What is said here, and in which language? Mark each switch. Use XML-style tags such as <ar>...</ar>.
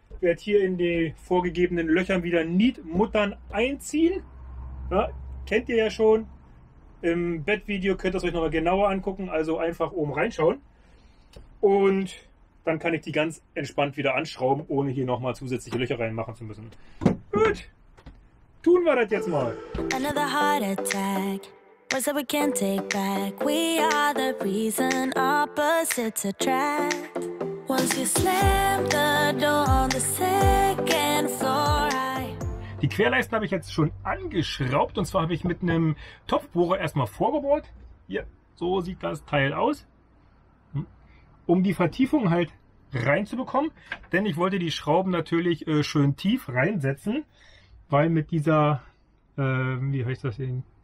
<de>Werde hier in die vorgegebenen Löchern wieder Nietmuttern einziehen. Ja, kennt ihr ja schon. Im Bettvideo könnt ihr es euch nochmal genauer angucken. Also einfach oben reinschauen. Und dann kann ich die ganz entspannt wieder anschrauben, ohne hier nochmal zusätzliche Löcher reinmachen zu müssen. Gut. Tun wir das jetzt mal.</de> <en>Another heart attack. Was that we can't take back. We are the reason opposites attract.</en> <de>Die Querleisten habe ich jetzt schon angeschraubt und zwar habe ich mit einem Topfbohrer erstmal vorgebohrt. Hier, so sieht das Teil aus. Um die Vertiefung halt reinzubekommen, denn ich wollte die Schrauben natürlich schön tief reinsetzen, weil mit dieser, wie heißt das hier?</de>